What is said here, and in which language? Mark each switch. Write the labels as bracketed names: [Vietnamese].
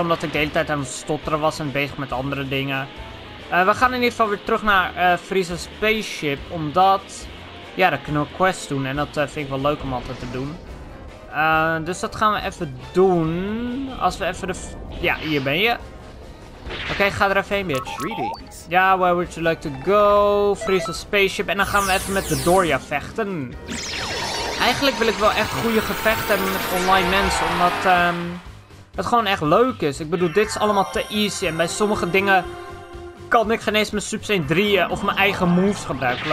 [Dutch] Omdat ik de hele tijd aan het stotteren was en bezig met andere dingen. We gaan in ieder geval weer terug naar Freeza's Spaceship. Omdat, ja, daar kunnen we quests doen. En dat vind ik wel leuk om altijd te doen. Dus dat gaan we even doen. Als we even de... Ja, hier ben je. Oké, ga er even heen, bitch. [English] Ja, where would you like to go? Freeza Spaceship. [Dutch] En dan gaan we even met de Doria vechten. Eigenlijk wil ik wel echt goede gevechten hebben met online mensen. Omdat het gewoon echt leuk is. Ik bedoel, dit is allemaal te easy. En bij sommige dingen kan ik geen eens mijn Super Saiyan 3 of mijn eigen moves gebruiken.